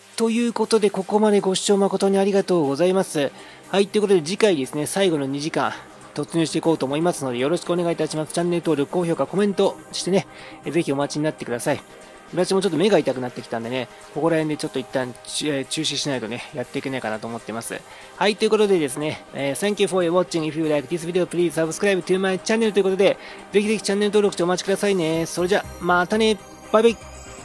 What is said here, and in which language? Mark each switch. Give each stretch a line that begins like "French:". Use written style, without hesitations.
Japanese: ということで、ここまでご視聴誠にありがとうございます。はい。ということで、次回ですね、最後の2時間、突入していこうと思いますので、よろしくお願いいたします。チャンネル登録、高評価、コメントしてね、ぜひお待ちになってください。私もちょっと目が痛くなってきたんでね、ここら辺でちょっと一旦、中止しないとね、やっていけないかなと思ってます。はい。ということでですね、
English: Thank you for your watching. If you like this video, please subscribe to my channel
Japanese: ということで、ぜひぜひチャンネル登録してお待ちくださいね。それじゃ、またね。バイバイ。